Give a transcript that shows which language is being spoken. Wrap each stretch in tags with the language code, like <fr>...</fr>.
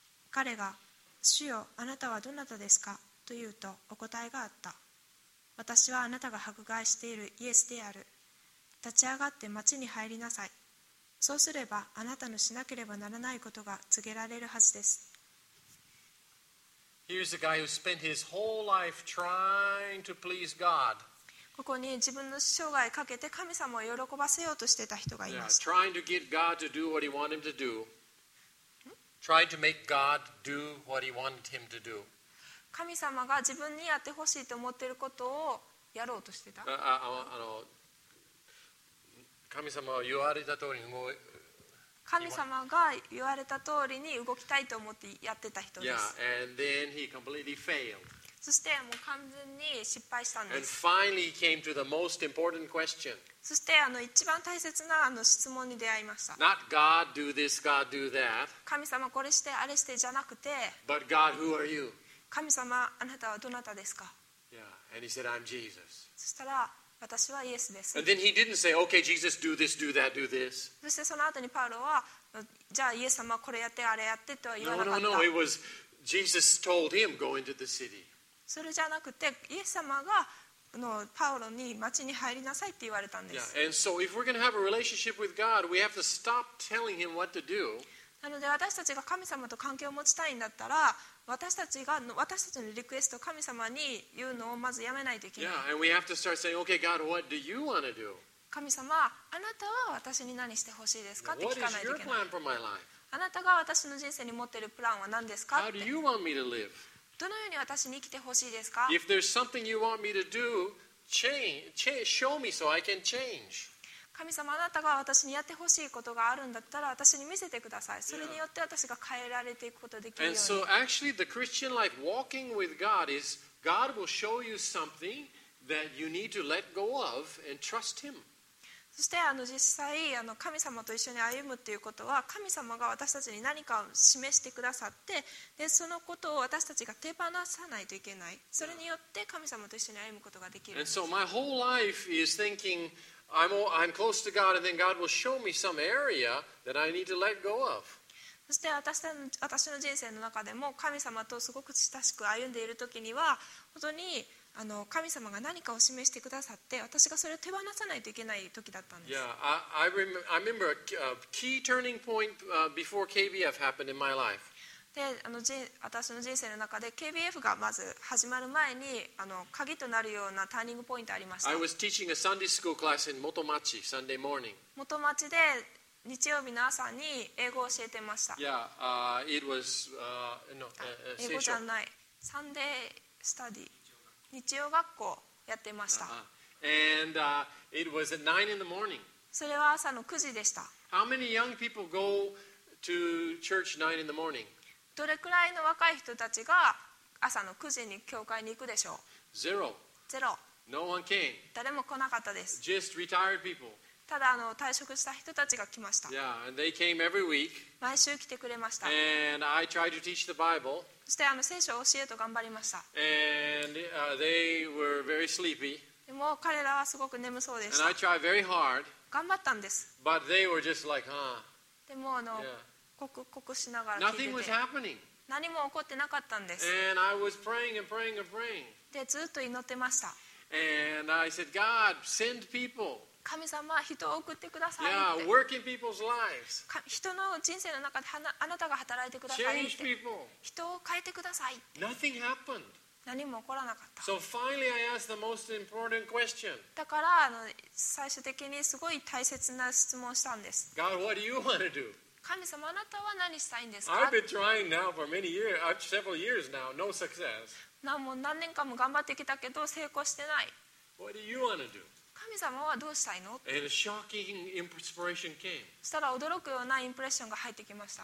<ja>彼が主よあなたはどなたですかと言うとお答えがあった。私はあなたが迫害しているイエスである。立ち上がって町に入りなさい。そうすればあなたのしなければならないことが告げられるはずです。</ja> <en>Here's a guy who spent his whole life trying to please God.</en> <ja>ここに自分の生涯かけて神様を喜ばせようとしてた人がいます。</ja> <en>Yeah, trying to get God to do what he wanted him to do. Trying to make God do what he wanted him to do.</en> <ja>神様が自分にやってほしいと思っていることをやろうとしてた。あの神様は言われた通りに動い。神様が言われた通りに動きたいと思ってやってた人です。</ja> <en>Yeah, and then he completely failed.</en> <ja>そしてもう完全に失敗したんです。</ja> <en>And finally came to the most important question.</en> <ja>そしてあの一番大切なあの質問に出会いました。</ja> <en>Not God do this, God do that.</en> <ja>神様これしてあれしてじゃなくて。</ja> <en>But God, who are you?</en> <ja>神様、あなたはどなたですか？</ja> <en>Yeah. And he said, I'm Jesus.</en> <ja>そしたら、私はイエスです。</ja> <en>And then he didn't say, okay, Jesus, do this, do that, do this.</en> <ja>そしてその後にパウロは、じゃあイエス様、これやって、あれやってとは言わなかった。</ja> <en>No, no, no. It was, Jesus told him, go into the city.</en> <ja>それじゃなくて、イエス様がのパウロに町に入りなさいって言われたんです。</ja> <en>Yeah. And so if we're going to have a relationship with God, we have to stop telling him what to do.</en> <ja>なので私たちが神様と関係を持ちたいんだったら私たちが私たちのリクエストを神様に言うのをまずやめないといけない。</ja> <en>Yeah, and we have to start saying, okay, God, what do you want to do?</en> <ja>神様、あなたは私に何してほしいですかって聞かないといけない。</ja> <en>What is your plan for my life?</en> <ja>あなたが私の人生に持っているプランは何ですかって。</ja> <en>How do you want me to live?</en> <ja>どのように私に生きてほしいですか。</ja> <en>If there's something you want me to do, show me so I can change.</en> <ja>神様、あなたが私にやってほしいことがあるんだったら私に見せてください。それによって私が変えられていくことができるように。</ja> <en>And so actually the Christian life walking with God is God will show you something that you need to let go of and trust Him.</en> <ja>そして実際神様と一緒に歩むっていうことは神様が私たちに何かを示してくださってでそのことを私たちが手放さないといけない。それによって神様と一緒に歩むことができるんです。</ja> <en>And so my whole life is thinkingI'm close to God, and then God will show me some area that I need to let go of.</en> <ja>そして私の人生の中でも神様とすごく親しく歩んでいるときには本当に神様が何かを示してくださって私がそれを手放さないといけない時だったんです。</ja> <en>Yeah, I remember a key turning point before KBF happened in my life.</en> <ja>で私の人生の中で KBF がまず始まる前に鍵となるようなターニングポイントありました。</ja> <en>I was teaching a Sunday school class in Motomachi Sunday morning.</en> <ja>元町で日曜日の朝に英語を教えてました。</ja> <en>Yeah, it was no,</en> <ja>英語じゃない。</ja> <en>Sunday study</en> <ja>日曜学校やってました。</ja> <en>And it was at 9 in the morning.</en> <ja>それは朝の9時でした。</ja> <en>How many young people go to church 9 in the morning?</en> <ja>どれくらいの若い人たちが朝の9時に教会に行くでしょう。</ja> <en>ゼロ。No one came.</en> <ja>誰も来なかったです。</ja> <en>Just retired people.</en> <ja>ただ退職した人たちが来ました。</ja> <en>Yeah, and they came every week.</en> <ja>毎週来てくれました。</ja> <en>And I tried to teach the Bible.</en> <ja>そして聖書を教えと頑張りました。</ja> <en>And they were very sleepy.</en> <ja>でも彼らはすごく眠そうでした。</ja> <en>And I tried very hard.</en> <ja>頑張ったんです。</ja> <en>But they were just like, huh?</en> <ja>でも Yeah. しながら</ja> <en>Nothing was happening.</en> <ja>何も起こってなかったんです。</ja> <en>And I was praying and praying and praying.</en> <ja>で、ずっと祈ってました。</ja> <en>And I said, God, send people.</en> <ja>神様、人を送ってくださいって。</ja> <en>Yeah, work in people's lives.</en> <ja>人の人生の中であなたが働いてくださいって。</ja> <en>Change people.</en> <ja>人を変えてくださいって。</ja> <en>Nothing happened.</en> <ja>何も起こらなかった。</ja> <en>So finally, I asked the most important question.</en> <ja>だから最終的にすごい大切な質問をしたんです。</ja> <en>God, what do you want to do?</en> <ja>神様、あなたは何したいんですか。</ja> <en>I've been trying now for many years, several years now, no success.</en> <ja>なもう何年かも頑張ってきたけど成功してない。</ja> <en>What do you want to do?</en> <ja>神様はどうしたいの。</ja> <en>And a shocking inspiration came.</en> <ja>そしたら驚くようなインプレッションが入ってきました。</ja>